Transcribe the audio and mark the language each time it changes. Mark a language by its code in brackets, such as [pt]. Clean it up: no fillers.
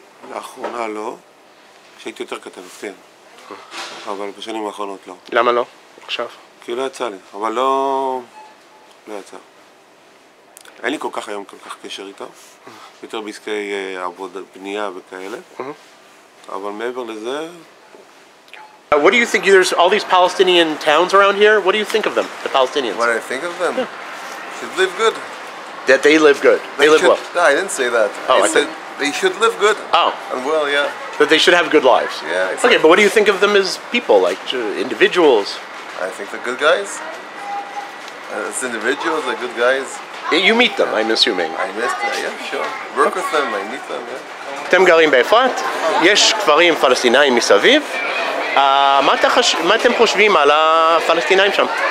[he] לאחרונה לא, כשהייתי יותר כתב, כן. אבל בשנים האחרונות לא. למה לא? עכשיו? כי לא יצא לי, אבל לא... לא יצא. אין לי כל כך היום כל כך קשר איתו, יותר בעסקי עבודה, בנייה וכאלה, אבל מעבר לזה... [en] What do you think, there's all these Palestinian towns around here, what do you think of them, the Palestinians? What do I think of them? They should live good. That they live good? They live well? No, I didn't say that. Oh, I said they should live good. Oh. And well, yeah. But they should have good lives. Yeah, exactly. Okay, but what do you think of them as people, like individuals? I think they're good guys. As individuals, they're good guys. You meet them, I'm assuming. I miss them, yeah, sure. Work with them, I meet them, yeah. [he] אתם גרים באפרת? יש כפרים פלסטינאים מסביב? מה אתם חושבים על הפלסטינאים שם?